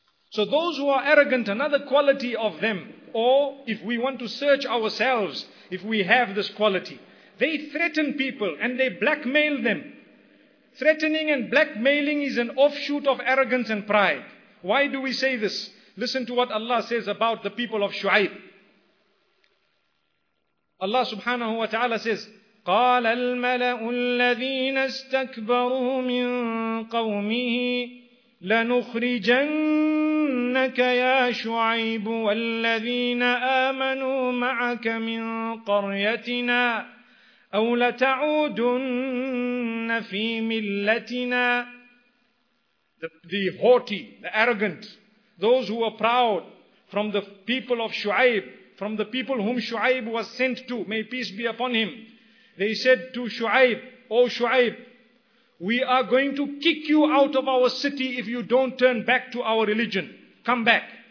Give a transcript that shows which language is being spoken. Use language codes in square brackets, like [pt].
[en] So those who are arrogant, another quality of them, or if we want to search ourselves, if we have this quality, they threaten people and they blackmail them. Threatening and blackmailing is an offshoot of arrogance and pride. Why do we say this? Listen to what Allah says about the people of Shu'aib. Allah subhanahu wa ta'ala says, [ar] قَالَ الْمَلَأُ الَّذِينَ اسْتَكْبَرُوا مِنْ قَوْمِهِ لَنُخْرِجَنَّكَ يَا شُعَيْبُ وَالَّذِينَ آمَنُوا مَعَكَ مِنْ قَرْيَتِنَا أَوْ لَتَعُودُنَّ فِي مِلَّتِنَا. [en] The haughty, the arrogant, those who were proud from the people of Shu'aib, from the people whom Shu'aib was sent to, may peace be upon him. They said to Shu'aib, O Shu'aib, we are going to kick you out of our city if you don't turn back to our religion. Come back.